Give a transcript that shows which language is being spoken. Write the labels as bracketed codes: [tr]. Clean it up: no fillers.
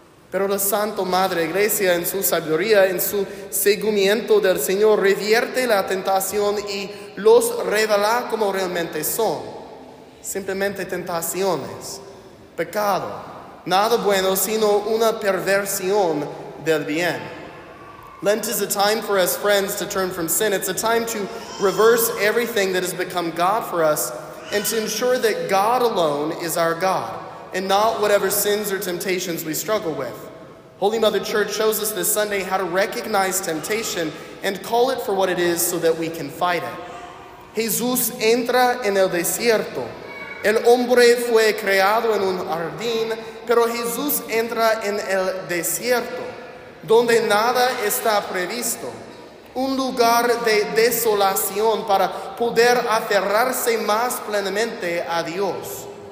[es] Pero la Santa Madre Iglesia, en su sabiduría, en su seguimiento del Señor, revierte la tentación y los revela como realmente son. Simplemente tentaciones, pecado, nada bueno, sino una perversión del bien. [en] Lent is a time for us, friends, to turn from sin. It's a time to reverse everything that has become God for us and to ensure that God alone is our God and not whatever sins or temptations we struggle with. Holy Mother Church shows us this Sunday how to recognize temptation and call it for what it is so that we can fight it. [es] Jesús entra en el desierto. El hombre fue creado en un jardín, pero Jesús entra en el desierto, donde nada está previsto. Un lugar de desolación para poder aferrarse más plenamente a Dios.